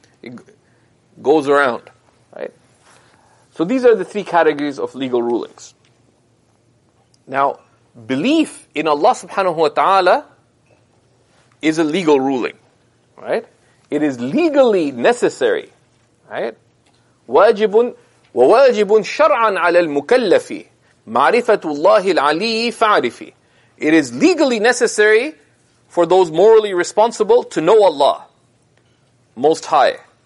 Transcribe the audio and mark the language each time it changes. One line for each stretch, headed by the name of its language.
English: It goes around, right? So these are the three categories of legal rulings. Now, belief in Allah subhanahu wa ta'ala is a legal ruling, right? It is legally necessary Right?
Arabic: واجبٌ وواجبٌ شرعًا على المكلف معرفة الله العلي فعرفي.
English: It is legally necessary for those morally responsible to know Allah, Most High.